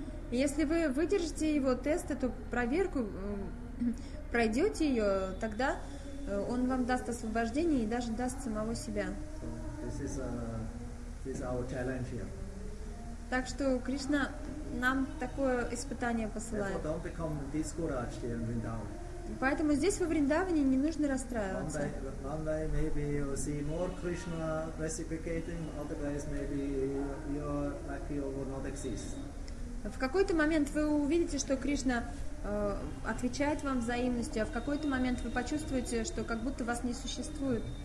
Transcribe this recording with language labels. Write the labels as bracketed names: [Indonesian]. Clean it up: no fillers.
[Russian] Если вы выдержите его тест, эту проверку, пройдете ее, тогда он вам даст освобождение и даже даст самого себя. [English] So this is our challenge here. [Russian] Так что Кришна нам такое испытание посылает. [English] Don't become discouraged in Vrindavan. [Russian] Поэтому здесь во Вриндаване не нужно расстраиваться. [English] One day maybe you see more Krishna reciprocating, other days maybe you're like you will not exist. [Russian] В какой-то момент вы увидите, что Кришна отвечает вам взаимностью, а в какой-то момент вы почувствуете, что как будто вас не существует.